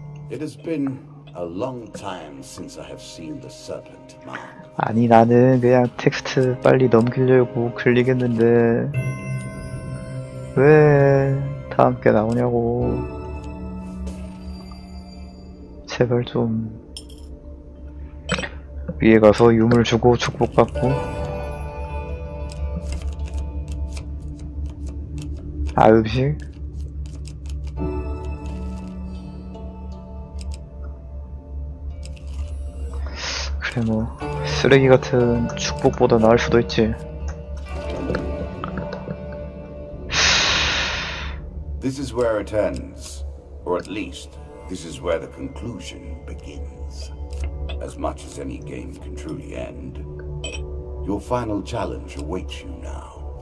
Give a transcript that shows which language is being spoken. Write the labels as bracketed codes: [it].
[en] It has been a long time since I have seen the serpent mark. [ko] 아니 나는 그냥 텍스트 빨리 넘기려고 클릭했는데 왜 다음 게 나오냐고. 제발 좀 위에 가서 유물 주고 축복 받고. 아 음식? 그래 뭐 쓰레기 같은 축복보다 나을 수도 있지. [en] This is where it ends, or at least this is where the conclusion begins. As much as any game can truly end, your final challenge awaits you now.